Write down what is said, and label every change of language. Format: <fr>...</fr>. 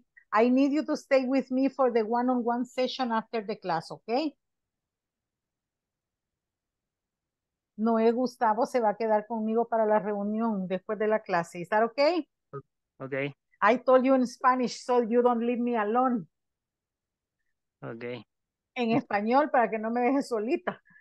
<en>Yes. I need you to stay with me for the one-on-one session after the class, okay?</en> <es>Noé Gustavo se va a quedar conmigo para la reunión después de la clase.</es> <en>Is that okay? Okay. I told you in Spanish, so you don't leave me alone. Okay.</en> <es>En español, para que no me dejes solita.</es>